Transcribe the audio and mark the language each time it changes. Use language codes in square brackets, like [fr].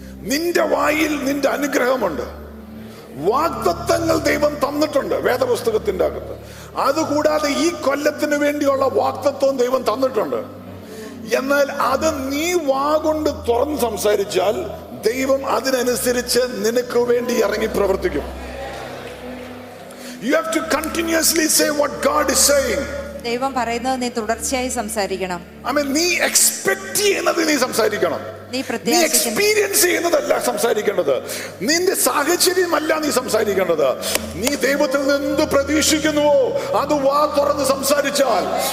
[ml] നിന്റെ വായിൽ നിന്റെ അനുഗ്രഹമുണ്ട്, വാഗ്ദത്തങ്ങൾ ദൈവം തന്നിട്ടുണ്ട് വേദപുസ്തകത്തിന്റെ അകത്ത്. അതുകൂടാതെ ഈ കൊല്ലത്തിന് വേണ്ടിയുള്ള വാഗ്ദത്തവും ദൈവം തന്നിട്ടുണ്ട്. എന്നാൽ അത് നീ വാഗോണ്ട് തുറന്ന് സംസാരിച്ചാൽ ദൈവം അതിനനുസരിച്ച് നിനക്ക് വേണ്ടി ഇറങ്ങി പ്രവർത്തിക്കും. [en] You have to continuously say what God is saying. [ml] ദൈവം പറയുന്നത് നീ തുടർച്ചയായി സംസാരിക്കണം. [en] I mean, [ml] നീ എക്സ്പെക്ട് ചെയ്യുന്നത് നീ സംസാരിക്കണം. നീ പ്രത്യാശിക്കുന്നത്, നീ എക്സ്പീരിയൻസ് ചെയ്യുന്നതല്ല സംസാരിക്കേണ്ടത്. നിന്റെ സാഹചര്യമല്ല നീ സംസാരിക്കേണ്ടത്. നീ ദൈവത്തിൽ നിന്ന് എന്ത് പ്രതീക്ഷിക്കുന്നുവോ അത് വാ തുറന്ന് സംസാരിച്ചാൽ.